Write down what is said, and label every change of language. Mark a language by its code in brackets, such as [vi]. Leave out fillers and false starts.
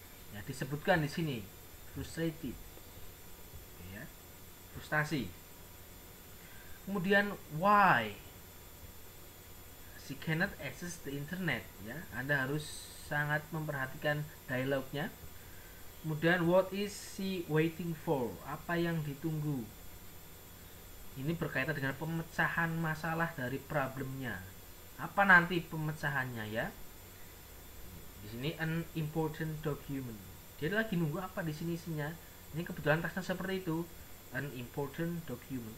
[id] Ya disebutkan di sini frustrated ya, frustasi. [en] Kemudian why? She cannot access the internet ya. [id] Anda harus sangat memperhatikan dialognya. [en] Kemudian what is she waiting for? [id] Apa yang ditunggu? Ini berkaitan dengan pemecahan masalah dari problemnya. Apa nanti pemecahannya ya? Di sini [en] an important document. [id] Jadi lagi nunggu apa di sini isinya? Ini kebetulan teksnya seperti itu. [en] An important document.